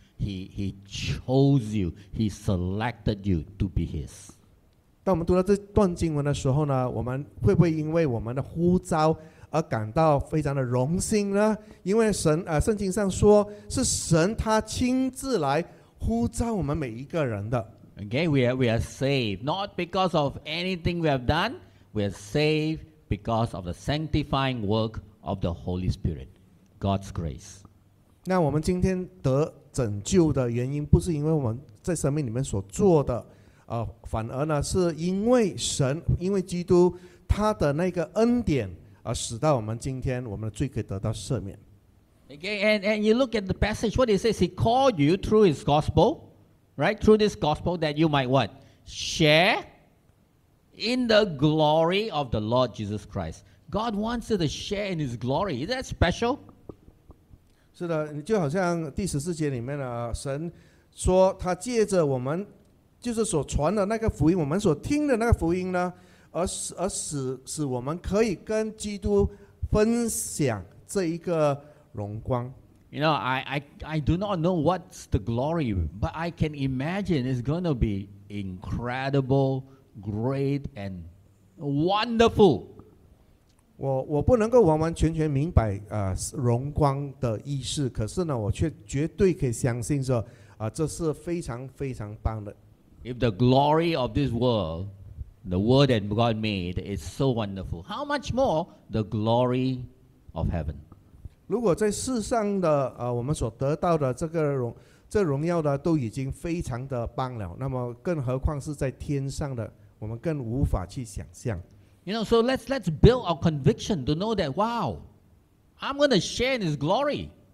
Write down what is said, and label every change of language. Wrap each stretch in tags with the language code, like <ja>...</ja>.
<en>He chose you. He selected you to be His.</en> <zh>当我们读到这段经文的时候呢，我们会不会因为我们的呼召而感到非常的荣幸呢？因为神圣经上说是神他亲自来呼召我们每一个人的。</zh> <en>Okay, we are saved not because of anything we have done. We are saved because of the sanctifying work of the Holy Spirit, God's grace.</en> <zh>那我们今天得拯救的原因，不是因为我们在生命里面所做的，反而呢，是因为神，因为基督他的那个恩典，而使到我们今天我们的罪可以得到赦免。</zh> <en>Okay, and you look at the passage. What it says, He called you through His gospel. Right, through this gospel that you might what? Share in the glory of the Lord Jesus Christ. God wants you to share in His glory. Is that special?</en> <zh>是的，就好像第十四节里面，神说他借着我们就是所传的那个福音，我们所听的那个福音呢，而使我们可以跟基督分享这一个荣光。</zh> <en>You know, I do not know what's the glory, but I can imagine it's going to be incredible, great, and wonderful.</en> <zh>我不能够完完全全明白荣光的意思，可是呢，我却绝对可以相信说这是非常非常棒的。</zh> <en>If the glory of this world, the world that God made, is so wonderful, how much more the glory of heaven?</en> <zh>如果在世上的我们所得到的这荣耀的都已经非常的棒了，那么更何况是在天上的，我们更无法去想象。</zh> <en>You know, so let's build our conviction to know that, wow, I'm going to share in His glory.</en>